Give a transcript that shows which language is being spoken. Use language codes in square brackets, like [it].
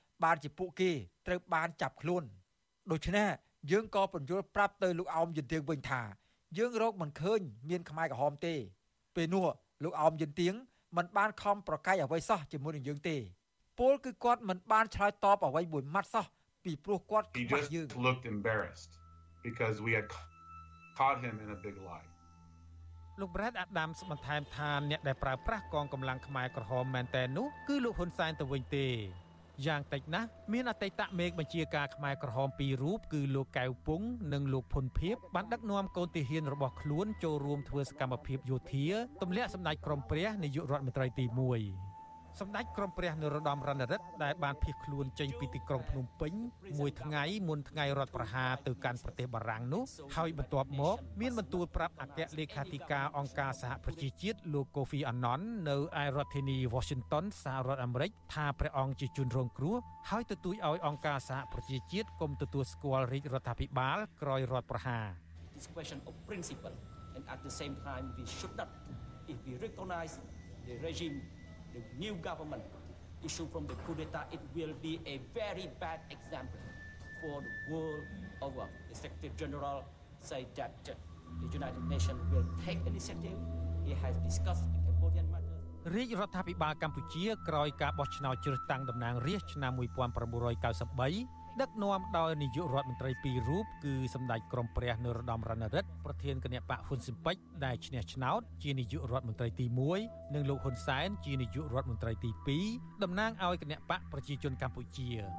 [km] បានជាពួកគេត្រូវបានចាប់ខ្លួនដូច្នេះយើងក៏បញ្ជូនប្រាប់ទៅលោកអោមយន្តៀងវិញថាយើងរកមិនឃើញមានខ្មែរក្រហមទេពេលនោះលោកអោមយន្តៀងមិនបានខំប្រកែកអ្វីសោះជាមួយនឹងយើងទេពលគឺគាត់មិនបានឆ្លើយតបអ្វីមួយម៉ាត់សោះពីព្រោះគាត់ខ្មាស់យើង [en] He just looked embarrassed because we had caught him in a big lie [km] លោកប្រធានអាដាមបន្ថែមថាអ្នកដែលប្រើប្រាស់កងកម្លាំងខ្មែរក្រហមមែនតើនោះគឺលោកហ៊ុនសែនទៅវិញទេយ៉ាងតិចណាស់មានអតីតមេបញ្ជាការខ្មែរក្រហម2រូបគឺលោកកៅពុងនិងលោកផុនភៀបបានដឹកនាំកូនទាហានរបស់ខ្លួនចូលរួមធ្វើសកម្មភាពយោធាទម្លាក់សម្ដេចក្រមព្រះនាយករដ្ឋមន្ត្រីទី1 សម្ដេចក្រមព្រះនរោត្តមរណរដ្ឋដែលបានភៀសខ្លួនចេញពីទីក្រុងភ្នំពេញមួយថ្ងៃមុនថ្ងៃរដ្ឋប្រហារទៅកាន់ប្រទេសបារាំងនោះហើយបន្ទាប់មកមានបន្ទូលប្រាប់អគ្គលេខាធិការអង្គការសហប្រជាជាតិលោក Kofi Annan នៅឯរដ្ឋធានី Washington សហរដ្ឋអាមេរិកថាព្រះអង្គជាជនរងគ្រោះហើយទទូចឲ្យអង្គការសហប្រជាជាតិកុំទទួលស្គាល់រាជរដ្ឋាភិបាលក្រោយរដ្ឋប្រហារ [en] This question of principle and at the same time we should not if we recognize the regime the new government issued from the coup d'etat it will be a very bad example for the world over the secretary general said that the united nations will take initiative he has discussed the cambodian matter [km] រាជរដ្ឋាភិបាលកម្ពុជាក្រោយការបោះឆ្នោតជ្រើសតាំងតំណាងរាស្ត្រឆ្នាំ1993ដឹកនាំដោយនាយករដ្ឋមន្ត្រី2រូបគឺសម្ដេចក្រមព្រះនរោត្តមរណរដ្ឋប្រធានគណបក្សហ៊ុនស៊ិនប៉ិចដែលឈ្នះឆ្នោតជានាយករដ្ឋមន្ត្រីទី1និងលោកហ៊ុនសែនជានាយករដ្ឋមន្ត្រីទី2តំណាងឲ្យគណបក្សប្រជាជនកម្ពុជា